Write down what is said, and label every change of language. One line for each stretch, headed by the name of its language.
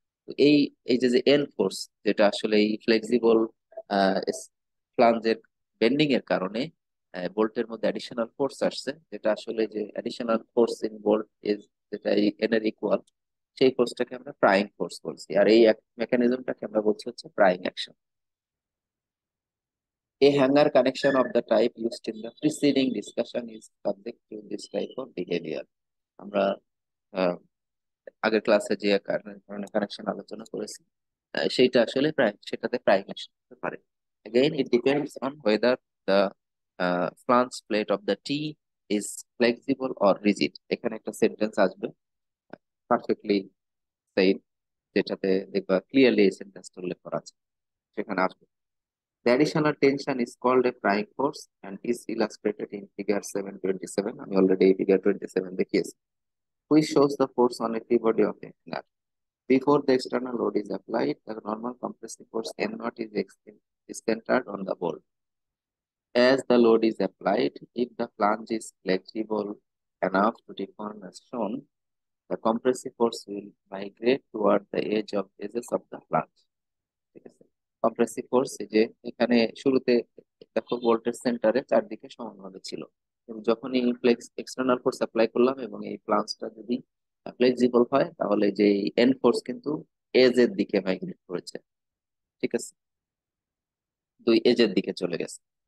Bangla: তো এই এই যে যে এন ফোর্স যেটা আসলে এই ফ্লেক্সিবল ফ্লাঞ্জের বেন্ডিং এর কারণে বোল্টের মধ্যে অ্যাডিশনাল ফোর্স আসছে, যেটা আসলে যে
English: additional force in bolt is
Bangla: যেটা এন এর ইকুয়াল, সেই ফোর্সটাকে আমরা প্রাইং ফোর্স বলছি, আর এই মেকানিজমটাকে আমরা বলছি হচ্ছে প্রাইং action.
English: A hanger connection of the type used in the preceding discussion is subject to this type of behavior.
Bangla: আমরা আগের ক্লাসে যে কারণে কানেকশন আলোচনা করেছি সেইটা আসলে প্রায় সেটাতে প্রায় হতে পারে।
English: Again, it depends on whether the flange plate of the tea is flexible or rigid.
Bangla: এখানে একটা সেন্টেন্স আসবে পারফেক্টলি সেইম, যেটাতে দেখবা ক্লিয়ারলি সেন্টেন্স তুললে পড়া আছে সেখানে আসবে।
English: The additional tension is called a prying force and is illustrated in figure 727.
Bangla: আমি অলরেডি figure 27 দেখিয়েছি,
English: which shows the force on a free body of a hanger. Before the external load is applied, the normal compressive force N0 is centered on the bolt. As the load is applied, if the flange is flexible enough to deform as shown, the compressive force will migrate toward the edge of edges of the flange.
Bangla: Compressive force, যে এখানে শুরুতে দেখো ভোল্টের সেন্টারে চারদিকে সমানভাবে ছিল, কিন্তু যখনই ফ্লেক্স এক্সটার্নাল ফোর্স অ্যাপ্লাই করলাম এবং এই প্লান্সটা যদি ফ্লেক্সিবল হয় তাহলে যে এন ফোর্স কিন্তু এজের দিকে মাইগ্রেট করেছে, ঠিক আছে, দুই এজের দিকে চলে গেছে।